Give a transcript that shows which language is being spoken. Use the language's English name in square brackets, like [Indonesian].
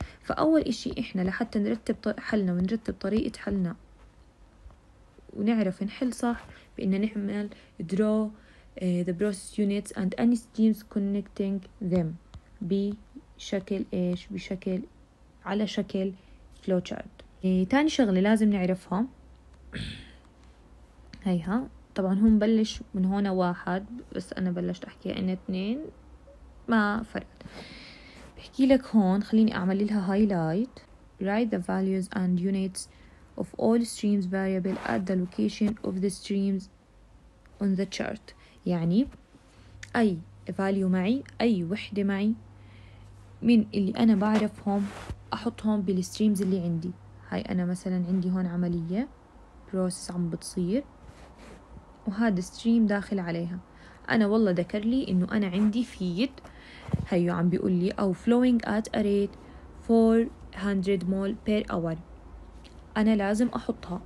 [Arabic] فاول اشي احنا لحتى نرتب حلنا ونرتب طريقه حلنا ونعرف نحل صح، بان نعمل درو [English] the process units and any streams connecting them [Arabic] بشكل إيش؟ بشكل على شكل flowchart. تاني شغلة لازم نعرفها هيها، طبعا هم بلش من هنا واحد بس أنا بلشت أحكي إن اثنين ما فرق. بحكي لك هون خليني أعمل لها highlight. [English] write the values and units of all streams variable at the location of the streams on the chart. [Arabic] يعني أي value معي، أي وحدة معي من اللي أنا بعرفهم أحطهم بالستريمز اللي عندي. هاي أنا مثلا عندي هون عملية process عم بتصير وهذا stream داخل عليها، أنا والله ذكر لي إنه أنا عندي feed هيو عم بيقول لي أو [English] flowing at a rate 400 mol per hour، [Arabic] أنا لازم أحطها.